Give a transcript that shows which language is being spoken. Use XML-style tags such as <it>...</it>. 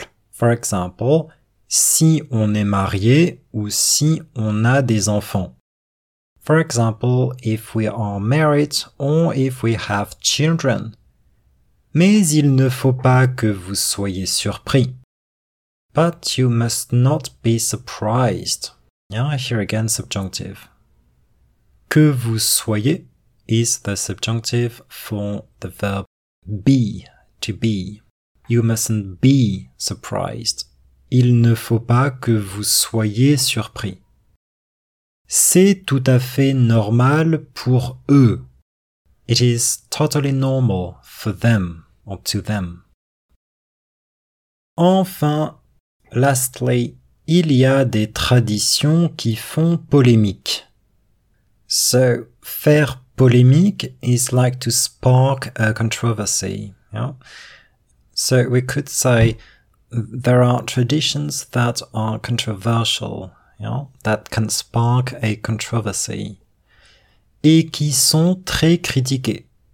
<en>For example,</en> <fr>si on est marié ou si on a des enfants.</fr> <en>For example, if we are married or if we have children.</en> <fr>Mais il ne faut pas que vous soyez surpris.</fr> <en>But you must not be surprised. Yeah, here again, subjunctive.</en> <fr>Que vous soyez</fr> <en>is the subjunctive for the verb be, to be. You mustn't be surprised.</en> <fr>Il ne faut pas que vous soyez surpris. C'est tout à fait normal pour eux.</fr> <en>It is totally normal for them or to them. Lastly,</en> <fr>il y a des traditions qui font polémique.</fr> <en>So,</en> <fr>faire polémique</fr> <en>is like to spark a controversy. Yeah? So, we could say there are traditions that are controversial, yeah? That can spark a controversy.</en> <fr>Et qui sont très critiquées.</fr>